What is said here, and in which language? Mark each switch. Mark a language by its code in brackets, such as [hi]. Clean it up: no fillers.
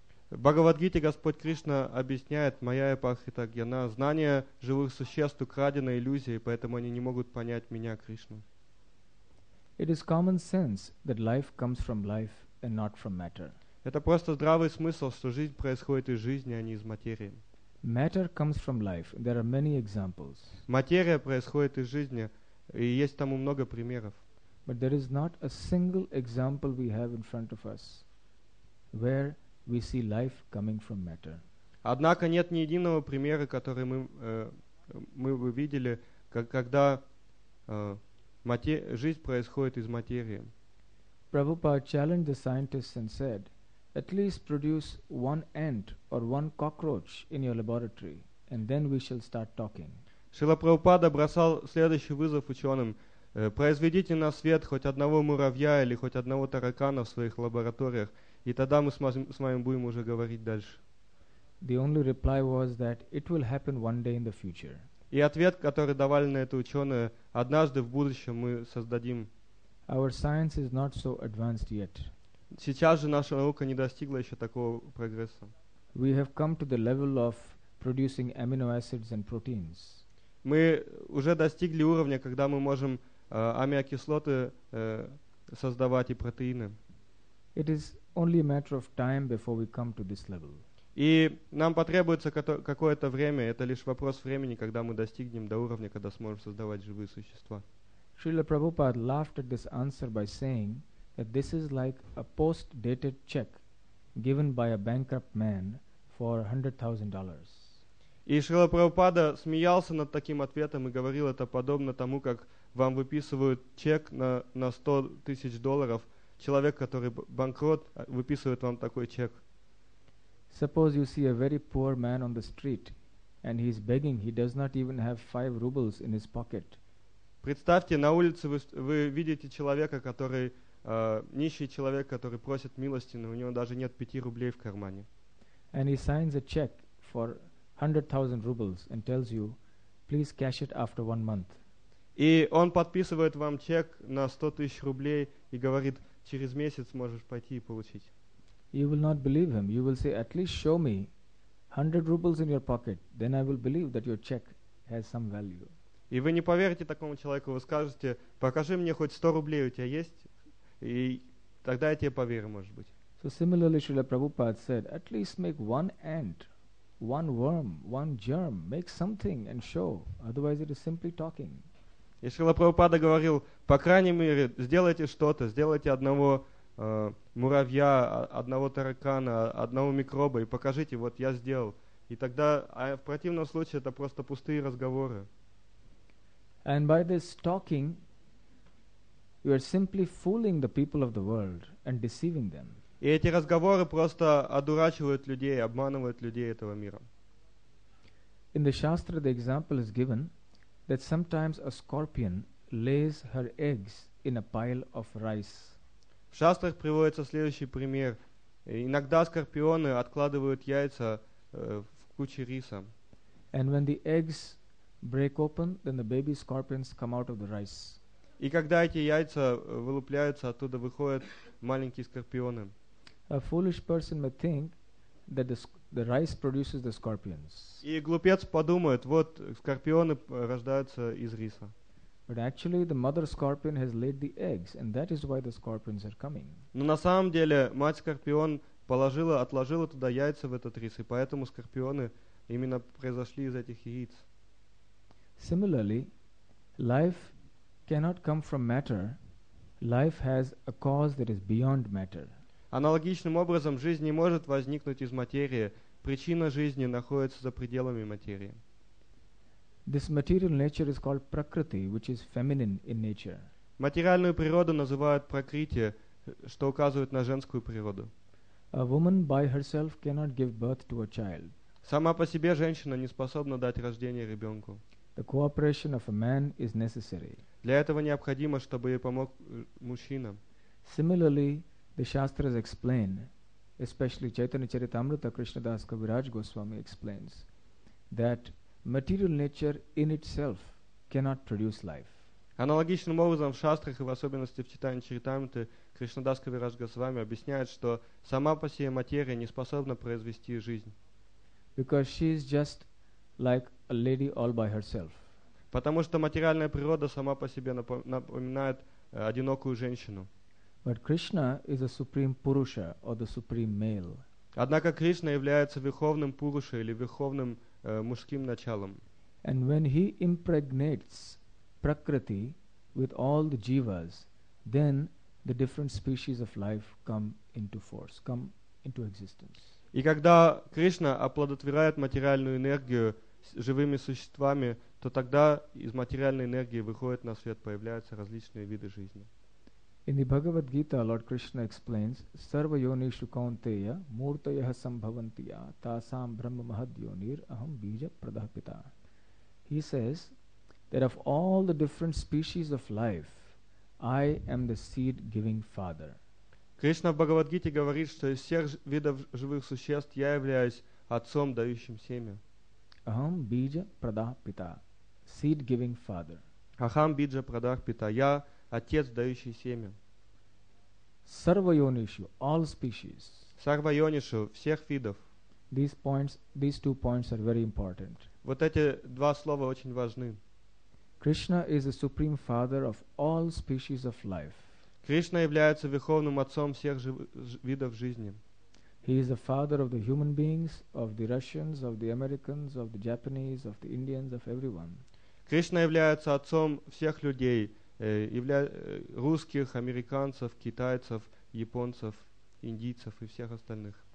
[ru] В Бхагавад-гите Господь Кришна объясняет Майя Пахрита Гьяна. Знание живых существ украдено иллюзией, поэтому они не могут понять меня, Кришну. [en] It is common sense that life comes from life and not from matter. [ru] Это просто здравый смысл, что жизнь происходит из жизни, а не из материи. [en] Matter comes from life. There are many examples. [ru] Материя происходит из жизни, и есть тому много примеров. [en] But there is not a single example we have in front of us where we see life coming from matter. [ru] Однако нет ни единого примера, который мы бы видели, когда жизнь происходит из материи. [en] Prabhupada challenged the scientists and said, "At least produce one ant or one cockroach in your laboratory, and then we shall start talking." [ru] Шрила Прабхупада бросал следующий вызов ученым: произведите на свет хоть одного муравья или хоть одного таракана в своих лабораториях, и тогда мы с вами будем уже говорить дальше. [en] The only reply was that it will happen one day in the future. [ru] И ответ, который давали на это ученые: однажды в будущем мы создадим. [en] Our science is not so advanced yet. [ru] Сейчас же наша наука не достигла еще такого прогресса. [en] We have come to the level of producing amino acids and proteins. [ru] Мы уже достигли уровня, когда мы можем аминокислоты создавать и протеины. [en] It is only a matter of time before we come to this level. [ru] И нам потребуется какое-то время, это лишь вопрос времени, когда мы достигнем до уровня, когда сможем создавать живые существа. [en] Srila Prabhupada laughed at this answer by saying that this is like a post-dated check given by a bankrupt man for $100,000. [ru] И Шрила Прабхупада смеялся над таким ответом и говорил, это подобно тому, как вам выписывают чек на 100 тысяч долларов. Человек, который банкрот, выписывает вам такой чек. [en] Suppose you see a very poor man on the street, and he's begging, he does not even have 5 rubles in his pocket. [ru] Представьте, на улице вы видите человека, который нищий человек, который просит милости, но у него даже нет 5 рублей в кармане. [en] And he signs a check for 100,000 rubles and tells you, please cash it after 1 month. [ru] И он подписывает вам чек на 100 тысяч рублей и говорит, через месяц можешь пойти и получить. [en] You will not believe him. You will say, at least show me 100 rubles in your pocket, then I will believe that your check has some value. [ru] И вы не поверите такому человеку, вы скажете, покажи мне хоть 100 рублей у тебя есть, и тогда я тебе поверю, может быть. [en] So similarly, Srila Prabhupada said, at least make one ant, one worm, one germ, make something and show, otherwise it is simply talking. [ru] И Шрила Прабхупада говорил, по крайней мере, сделайте что-то, сделайте одного муравья, одного таракана, одного микроба и покажите, вот я сделал. И тогда, в противном случае, это просто пустые разговоры. [en] And by this talking, you are simply fooling the people of the world and deceiving them. [ru] И эти разговоры просто одурачивают людей, обманывают людей этого мира. [en] In the Shastra, the example is given that sometimes a scorpion lays her eggs in a pile of rice. [ru] В шастрах приводится следующий пример. Иногда скорпионы откладывают яйца в куче риса. [en] And when the eggs break open, then the baby scorpions come out of the rice. [ru] И когда эти яйца вылупляются, оттуда выходят маленькие скорпионы. [en] A foolish person may think that the rice produces the scorpions. [ru] И глупец подумает, вот скорпионы рождаются из риса. [en] But actually the mother scorpion has laid the eggs and that is why the scorpions are coming. [ru] Но на самом деле мать скорпион отложила туда яйца в этот рис, и поэтому скорпионы именно произошли из этих яиц. [en] Similarly, life cannot come from matter. Life has a cause that is beyond matter. [ru] Аналогичным образом, жизнь не может возникнуть из материи. Причина жизни находится за пределами материи. [en] This material nature is called prakriti, which is feminine in nature. [ru] Материальную природу называют прокрити, что указывает на женскую природу. [en] A woman by herself cannot give birth to a child. [ru] Сама по себе женщина не способна дать рождение ребенку. [en] The cooperation of a man is necessary. [ru] Для этого необходимо, чтобы ей помог мужчина. [en] Similarly, the Shastras explain, especially Chaitanya Charitamrita, Krishna Das Kaviraj Goswami explains, that material nature in itself cannot produce life. [ru] Аналогичным образом в шастрах и в особенности в Чайтанья Чаритамрите Кришна Дас Кавирадж Госвами объясняет, что сама по себе материя не способна произвести жизнь. [en] Because she is just like a lady all by herself. [ru] Потому что материальная природа сама по себе напоминает одинокую женщину. [en] But Krishna is a supreme Purusha or the supreme male. [ru] Однако Кришна является верховным Пуруша или верховным мужским началом. [en] And when he impregnates prakriti with all the jivas, then the different species of life come into force, come into existence. [ru] И когда Кришна оплодотворяет материальную энергию живыми существами, то тогда из материальной энергии выходят на свет, появляются различные виды жизни. [en] In the Bhagavad Gita, Lord Krishna explains, [sa] Sarva yonishu kaunteya murtayah sambhavantiya tasam brahma mahad yonir aham bija pradhapita. [en] He says that of all the different species of life, I am the seed-giving father. [ru] Krishna в Bhagavad Gita говорит, что из всех видов живых существ я являюсь отцом, дающим семя. [sa] Aham bija pradhapita, [en] seed-giving father. [sa] Aham bija pradhapita, [ru] я отец, дающий семя. [sa] Sarvayonishu, [en] all species. [sa] Sarvayonishu, [ru] всех видов. [en] These two points are very important. [ru] Вот эти два слова очень важны. [en] Krishna is the supreme father of all species of life. [ru] Кришна является верховным отцом всех видов жизни. [en] He is the father of the human beings, of the Russians, of the Americans, of the Japanese, of the Indians, of everyone. [ru] Кришна является отцом всех людей. Русских, американцев, китайцев, японцев, индийцев и всех остальных.